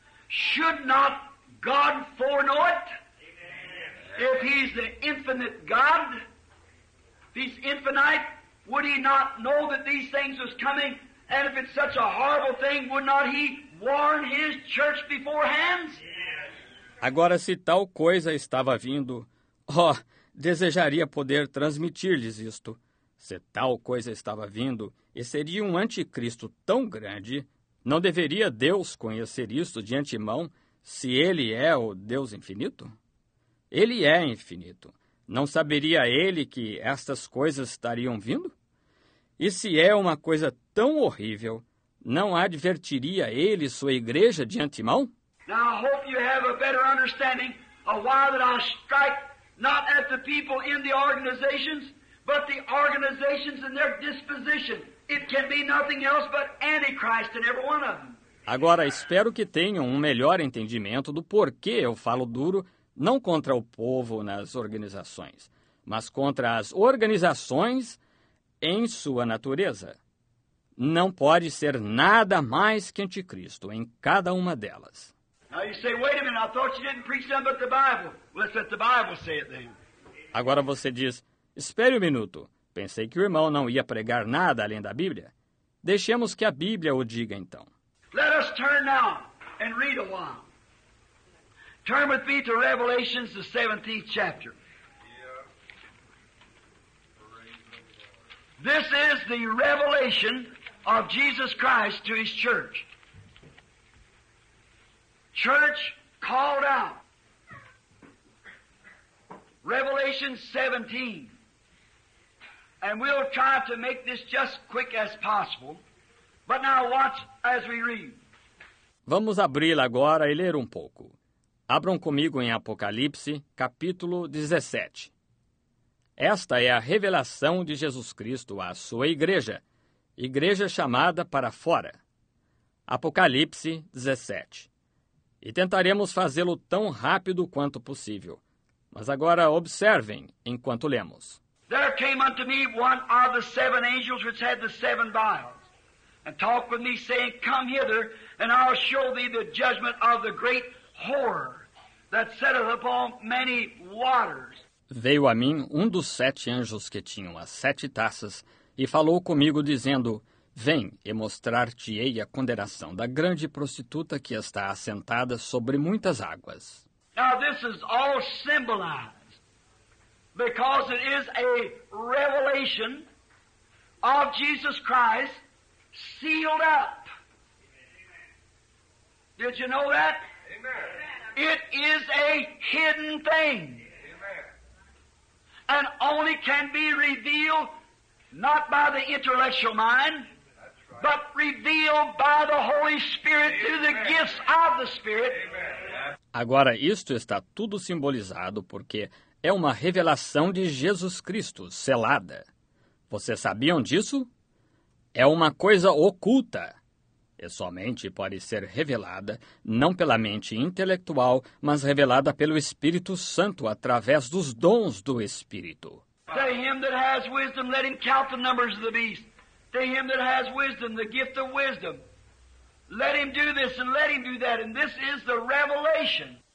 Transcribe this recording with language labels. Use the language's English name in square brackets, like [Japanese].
[English] Should not God foreknow it? If he's the infinite God, if he's infinite, would he not know that these things was coming? And if it's such a horrible thing, would not he warn his church beforehand? [Portuguese] Agora, se tal coisa estava vindo, desejaria poder transmitir-lhes isto. Se tal coisa estava vindo e seria um anticristo tão grande, não deveria Deus conhecer isto de antemão se ele é o Deus infinito? Ele é infinito. Não saberia ele que estas coisas estariam vindo? E se é uma coisa tão horrível, não advertiria ele sua igreja de antemão? [English] Now I hope you have a better understanding of why that I strike not at the people in the organizations, but the organizations and their disposition. It can be nothing else but antichrist in every one of them. [Portuguese] Agora, espero que tenham um melhor entendimento do porquê eu falo duro, não contra o povo nas organizações, mas contra as organizações em sua natureza. Não pode ser nada mais que anticristo em cada uma delas. [English] Now you say, wait a minute, I thought you didn't preach nothing but the Bible. Let's let the Bible say it then. [Portuguese] Agora você diz, espere um minuto. Pensei que o irmão não ia pregar nada além da Bíblia. Deixemos que a Bíblia o diga, então. [English] Let us turn now and read a while. Turn with me to Revelation, the 17th chapter. This is the revelation of Jesus Christ to his church. Church called out. Revelation 17. And we'll try to make this just quick as possible. But now watch as we read. [Portuguese] Vamos abri-la agora e ler um pouco. Abram comigo em Apocalipse, capítulo 17. Esta é a revelação de Jesus Cristo à sua igreja, igreja chamada para fora. Apocalipse 17. E tentaremos fazê-lo tão rápido quanto possível. Mas agora observem enquanto lemos. [English] There came unto me one of the seven angels which had the seven vials, and talked with me, saying, come hither, and I'll show thee the judgment of the great horror that setteth upon many waters. [Portuguese] Veio a mim um dos sete anjos que tinham as sete taças, e falou comigo, dizendo, vem, e mostrar-te-ei a condenação da grande prostituta que está assentada sobre muitas águas. [English] Now this is all symbolized. Because it is a revelation of Jesus Christ sealed up. Amen. Did you know that? Amen. It is a hidden thing. Amen. And only can be revealed not by the intellectual mind, that's right, but revealed by the Holy Spirit. Amen. Through the gifts of the Spirit. Amen. [Portuguese] Agora, isto está tudo simbolizado porque é uma revelação de Jesus Cristo, selada. Vocês sabiam disso? É uma coisa oculta. E somente pode ser revelada, não pela mente intelectual, mas revelada pelo Espírito Santo, através dos dons do Espírito. [English] To him that has wisdom, let him count the numbers of the beast. To him that has wisdom, the gift of wisdom. Let him do this and let him do that. And this is the revelation.